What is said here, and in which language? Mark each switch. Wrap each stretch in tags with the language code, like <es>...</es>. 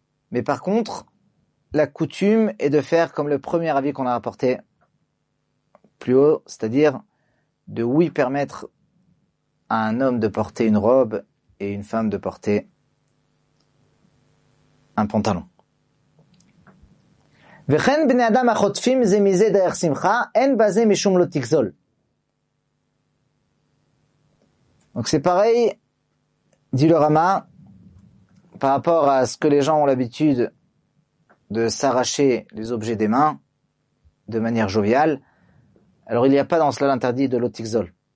<fr>Mais par contre, la coutume est de faire comme le premier avis qu'on a rapporté plus haut, c'est-à-dire de oui permettre à un homme de porter une robe et une femme de porter un pantalon.</fr> <he>וכן בני אדם החוטפים זה מזה דרך שמחה, אין בזה משום לא תגזול.</he> <fr>Donc c'est pareil, dit le Rama, par rapport à ce que les gens ont l'habitude de s'arracher les objets des mains de manière joviale, alors il n'y a pas dans cela l'interdit de l'otixol.</fr>